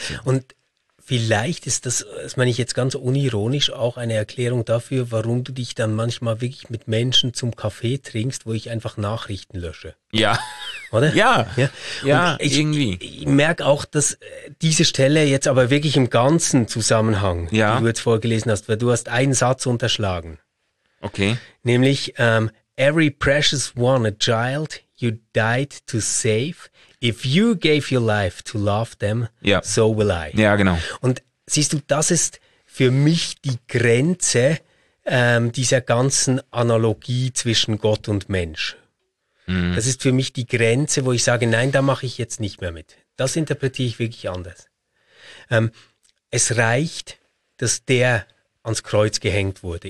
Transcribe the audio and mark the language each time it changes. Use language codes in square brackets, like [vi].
[de] Und vielleicht ist das, das meine ich jetzt ganz unironisch, auch eine Erklärung dafür, warum du dich dann manchmal wirklich mit Menschen zum Kaffee trinkst, wo ich einfach Nachrichten lösche. Ja. Oder? Ja. Ja, ja, irgendwie. Ich merke auch, dass diese Stelle jetzt aber wirklich im ganzen Zusammenhang, wie du jetzt vorgelesen hast, weil du hast einen Satz unterschlagen. Okay. [en] Nämlich, every precious one a child you died to save. If you gave your life to love them, so will I. [de] Ja, genau. Und siehst du, das ist für mich die Grenze dieser ganzen Analogie zwischen Gott und Mensch. Mhm. Das ist für mich die Grenze, wo ich sage, nein, da mache ich jetzt nicht mehr mit. Das interpretiere ich wirklich anders. Es reicht, dass der ans Kreuz gehängt wurde.